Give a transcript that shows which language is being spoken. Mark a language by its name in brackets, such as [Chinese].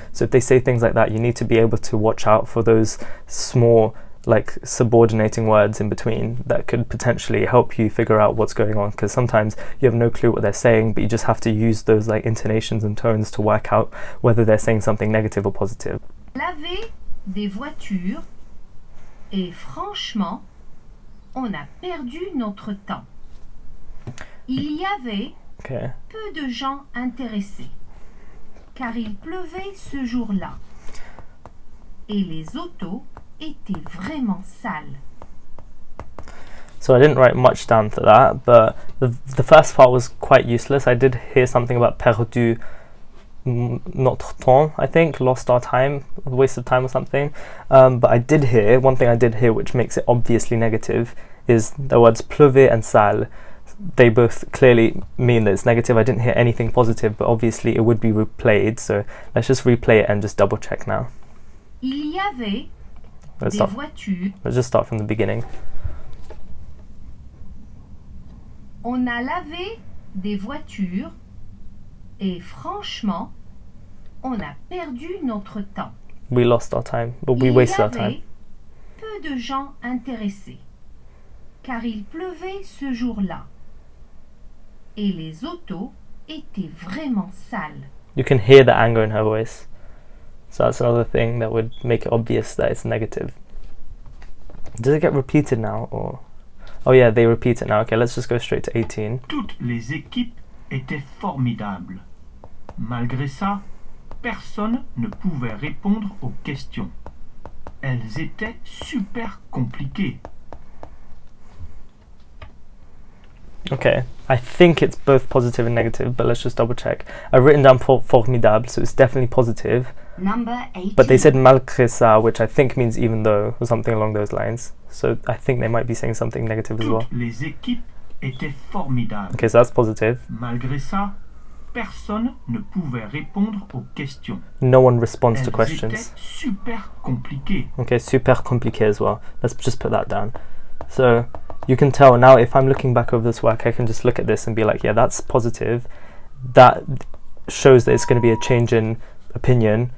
[English] So if they say things like that, you need to be able to watch out for those small like subordinating words in between that could potentially help you figure out what's going on, because sometimes you have no clue what they're saying, but you just have to use those like intonations and tones to work out whether they're saying something negative or positive. [French] Laver des voitures et franchement, on a perdu notre temps. Il y avait peu de gens intéressés, car il pleuvait ce jour-là, et les autos étaient vraiment sales. [English] So I didn't write much down for that, but the first part was quite useless. I did hear something about [French] perdu notre temps, [English] I think, lost our time, waste of time or something. But I did hear, one thing I did hear which makes it obviously negative, is the words pleuvait and sale. They both clearly mean that it's negative. I didn't hear anything positive, but obviously it would be replayed, so let's just replay it and just double check now. [French] Il y avait [English] Let's just start from the beginning. [French] On a lavé des voitures et franchement, on a perdu notre temps. [English] We lost our time, but we wasted our time. [French] Il y avait peu de gens intéressés, car il pleuvait ce jour-là. Et les autos étaient vraiment sales. [English] You can hear the anger in her voice. So that's another thing that would make it obvious that it's negative. Does it get repeated now? Or... Oh yeah, they repeat it now. Okay, let's just go straight to 18. [French] Toutes les équipes étaient formidables. Malgré ça, personne ne pouvait répondre aux questions. Elles étaient super compliquées. [English] Okay, I think it's both positive and negative, but let's just double check. I've written down formidable, so it's definitely positive. Number 18. But they said [French] malgré ça, [English] which I think means even though, or something along those lines. So I think they might be saying something negative [French] Toutes [English] as well. [French] Les équipes étaient formidables. [English] Okay, so that's positive. [French] Malgré ça, personne ne pouvait répondre aux questions. [English] No one responds to questions. [French] Super compliqué. [English] Okay, [French] super compliqué [English] as well. Let's just put that down. So you can tell now, if I'm looking back over this work, I can just look at this and be like, yeah, that's positive. That shows that it's going to be a change in opinion.